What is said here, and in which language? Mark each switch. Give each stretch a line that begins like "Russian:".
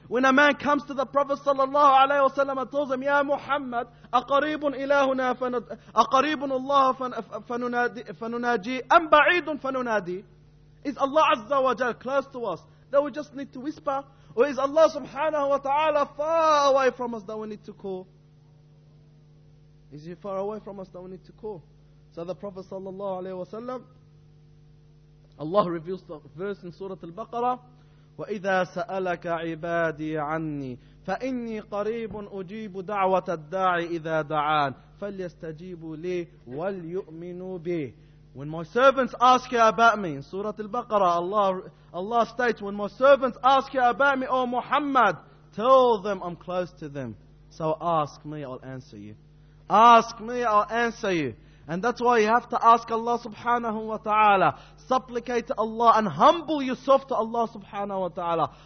English: When a man comes to the Prophet sallallahu alayhi wa sallam and tells him, "Ya Muhammad,
Arabic: أَقَرِيبٌ إِلَهُنَا أَقَرِيبٌ اللَّهُ فَنُنَاجِي أَمْ بَعِيدٌ فَنُنَادِي."
English: Is Allah Azza wa Jal close to us that we just need to whisper? Or is Allah subhanahu wa ta'ala far away from us that we need to call? Is He far away from us that we need to call? So the Prophet sallallahu alayhi wa sallam, Allah reveals the verse in Surah Al-Baqarah,
Arabic: وَإِذَا سَأَلَكَ عِبَادِي عَنِّي فَإِنِّي قَرِيبٌ أُجِيبُ دَعْوَةَ الدَّاعِ إِذَا دَعَانِ فَلْيَسْتَجِيبُوا لِي وَلْيُؤْمِنُوا بِي.
English: When my servants ask you about me, in Surah Al-Baqarah, Allah states, when my servants ask you about me, O Muhammad, tell them I'm close to them. So ask me, I'll answer you. Ask me, I'll answer you. And that's why you have to ask Allah subhanahu wa ta'ala, supplicate to Allah and humble yourself to Allah subhanahu wa ta'ala.